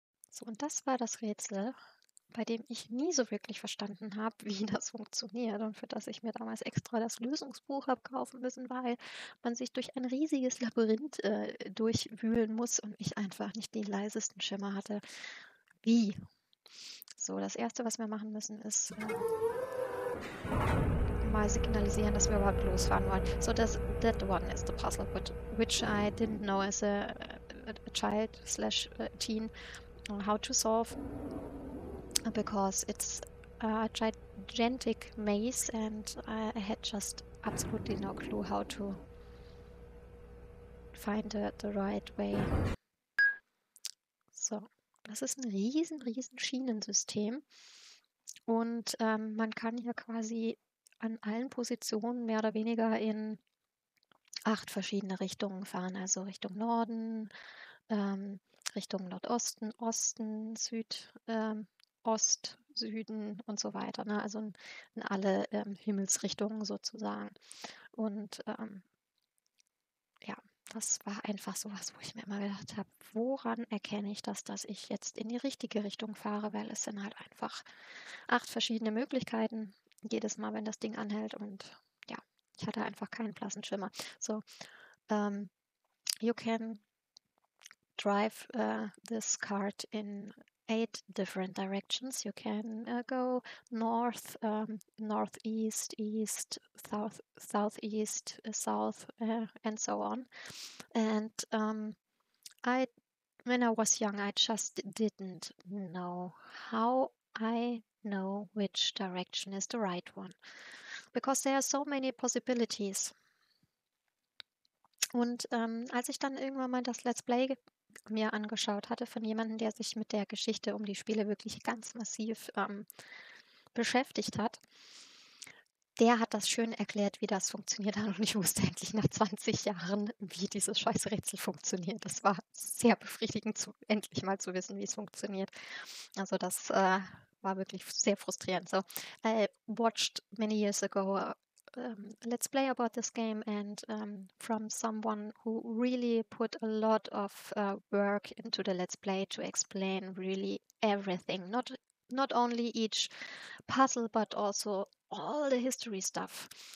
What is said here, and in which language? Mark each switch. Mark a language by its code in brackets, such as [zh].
[de] So, und das war das Rätsel, bei dem ich nie so wirklich verstanden habe, wie das funktioniert und für das ich mir damals extra das Lösungsbuch habe kaufen müssen, weil man sich durch ein riesiges Labyrinth durchwühlen muss und ich einfach nicht den leisesten Schimmer hatte. Wie? So, das Erste, was wir machen müssen, ist mal signalisieren, dass wir überhaupt losfahren wollen. [en] So, that one is the puzzle, which I didn't know as a child / teen. How to solve, because it's a gigantic maze and I had just absolutely no clue how to find the right way. [de] So, das ist ein riesen Schienensystem und man kann hier quasi an allen Positionen mehr oder weniger in 8 verschiedene Richtungen fahren, also Richtung Norden, Richtung Nordosten, Osten, Süd, Ost, Süden und so weiter. Ne? Also in alle Himmelsrichtungen sozusagen. Und ja, das war einfach sowas, wo ich mir immer gedacht habe, woran erkenne ich das, dass ich jetzt in die richtige Richtung fahre, weil es sind halt einfach 8 verschiedene Möglichkeiten jedes Mal, wenn das Ding anhält. Und ja, ich hatte einfach keinen blassen Schimmer. [en] So, you can drive this cart in 8 different directions. You can go north, northeast, east, south, southeast, south, and so on. And when I was young, I just didn't know how I know which direction is the right one, because there are so many possibilities. [de] Und als ich dann irgendwann mal das Let's Play mir angeschaut hatte von jemandem, der sich mit der Geschichte um die Spiele wirklich ganz massiv beschäftigt hat, der hat das schön erklärt, wie das funktioniert hat, und ich wusste endlich nach 20 Jahren, wie dieses scheiß Rätsel funktioniert. Das war sehr befriedigend, endlich mal zu wissen, wie es funktioniert. Also das war wirklich sehr frustrierend. [en] So, I watched many years ago Let's Play about this game, and from someone who really put a lot of work into the Let's Play to explain really everything, not only each puzzle, but also all the history stuff.